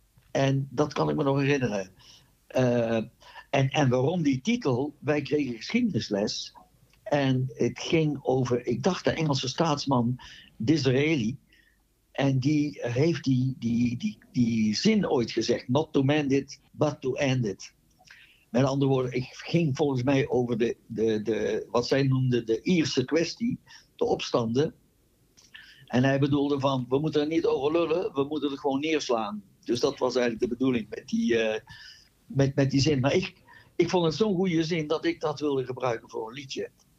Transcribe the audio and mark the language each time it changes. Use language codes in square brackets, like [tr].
[nl] En dat kan ik me nog herinneren. En waarom die titel? Wij kregen geschiedenisles. En het ging over, ik dacht, de Engelse staatsman Disraeli. En die heeft die zin ooit gezegd. [en] Not to mend it, but to end it. [nl] Met andere woorden, ik ging volgens mij over de wat zij noemden de Ierse kwestie, de opstanden. En hij bedoelde van, we moeten er niet over lullen, we moeten er gewoon neerslaan. Dus dat was eigenlijk de bedoeling met die zin. Maar ik vond het zo'n goede zin dat ik dat wilde gebruiken voor een liedje.